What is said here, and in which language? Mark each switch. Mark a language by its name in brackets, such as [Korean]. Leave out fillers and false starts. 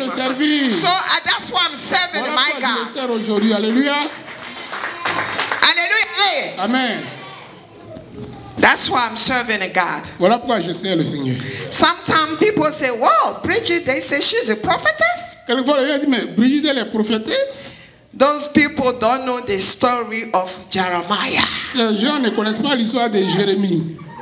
[French] Le servir. [English] So that's why I'm serving [French] voilà [English] my God. [French] Je le sers aujourd'hui. Alléluia. Alléluia. Hey. Amen. [English] That's why I'm serving a God. [French] Voilà pourquoi je sers le Seigneur. [English] Sometimes people say, wow, Brigitte, they say she's a prophetess. [French] Quelquefois, les gens disent, mais Brigitte, elle est prophétesse. [English] Those people don't know the story of Jeremiah. [French] Ces gens ne connaissent pas l'histoire de Jérémie.